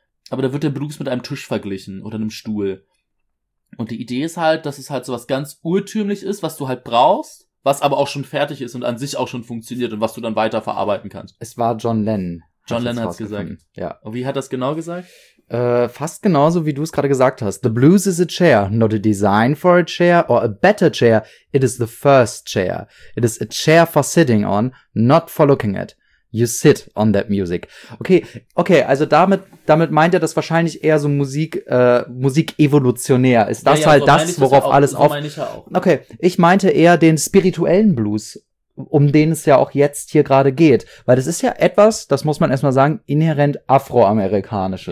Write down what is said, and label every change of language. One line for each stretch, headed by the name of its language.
German: Aber da wird der Blues mit einem Tisch verglichen oder einem Stuhl. Und die Idee ist halt, dass es halt sowas ganz urtümlich ist, was du halt brauchst, was aber auch schon fertig ist und an sich auch schon funktioniert und was du dann weiterverarbeiten kannst. Es war John Lennon. John Lennon hat es gesagt. Ja. Und wie hat das genau gesagt? Fast genauso, wie du es gerade gesagt hast.
English: The blues is a chair, not a design for a chair or a better chair. It is the first chair. It is a chair for sitting on, not for looking at. You sit on that music.
German: Okay, also damit meint er das wahrscheinlich eher so Musik-evolutionär. Ist das worauf alles auf... So meine ich ja auch. Okay, ich meinte eher den spirituellen Blues, um den es ja auch jetzt hier gerade geht. Weil das ist ja etwas, das muss man erstmal sagen, inhärent Afroamerikanisches.